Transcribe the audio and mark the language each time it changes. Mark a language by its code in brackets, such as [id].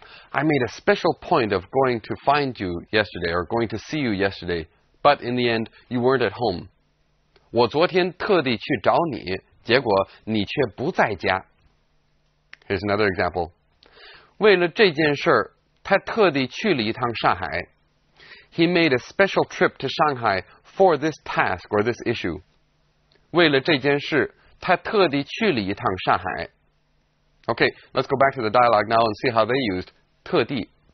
[en] I made a special point of going to find you yesterday or going to see you yesterday, but in the end, you weren't at home. [zh] 我昨天特地去找你，结果你却不在家。 [en] Here's another example. [zh] 为了这件事，他特地去了一趟上海。 [en] He made a special trip to Shanghai for this task or this issue. [zh] 为了这件事，他特地去了一趟上海。 [en] Okay, let's go back to the dialogue now and see how they used 特地.